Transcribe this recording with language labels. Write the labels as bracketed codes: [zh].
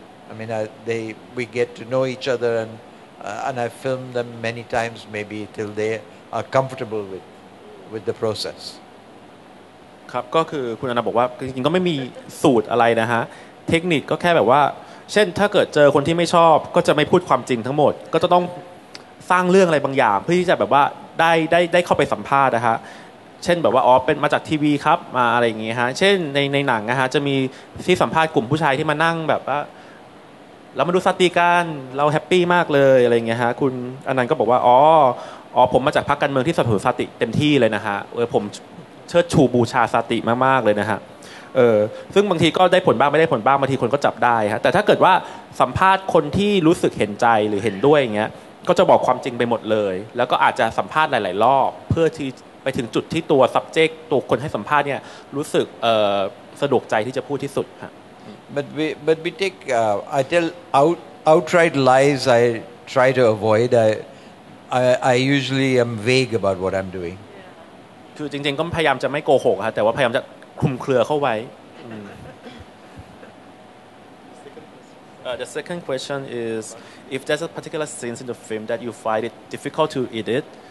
[en] I mean, we get to know each other and I film them many times maybe till they are comfortable with the process. [th] ครับก็คือคุณอนันต์บอกว่าจริงๆก็ไม่มีสูตรอะไรนะฮะเทคนิคก็แค่แบบว่าเช่นถ้าเกิดเจอคนที่ไม่ชอบก็จะไม่พูดความจริงทั้งหมดก็จะต้องสร้างเรื่องอะไรบางอย่างเพื่อที่จะแบบว่าได้เข้าไปสัมภาษณ์นะฮะเช่นแบบว่าอ๋อเป็นมาจากทีวีครับมาอะไรอย่างงี้ฮะเช่นในหนังนะฮะจะมีที่สัมภาษณ์กลุ่มผู้ชายที่มานั่งแบบว่า เรามาดูสตีกันเราแฮปปี้มากเลยอะไรอย่างเงี้ยฮะคุณอนันต์ก็บอกว่าอ๋อผมมาจากพรรคการเมืองที่สนับสนุนสติเต็มที่เลยนะฮะผมเชิดชูบูชาสติมากๆเลยนะฮะซึ่งบางทีก็ได้ผลบ้างไม่ได้ผลบ้างบางทีคนก็จับได้ฮะแต่ถ้าเกิดว่าสัมภาษณ์คนที่รู้สึกเห็นใจหรือเห็นด้วยอย่างเงี้ยก็จะบอกความจริงไปหมดเลยแล้วก็อาจจะสัมภาษณ์หลายๆรอบเพื่อที่ไปถึงจุดที่ตัว subject ตัวคนให้สัมภาษณ์เนี่ยรู้สึกสะดวกใจที่จะพูดที่สุดฮะ [en] but we take I tell outright lies I try to avoid I I usually am vague about what I'm doing. [th] คือจริงๆก็พยายามจะไม่โกหกครับแต่ว่าพยายามจะคลุมเครือเข้าไว้ [en] The second question is if there's a particular scene in the film that you find it difficult to edit.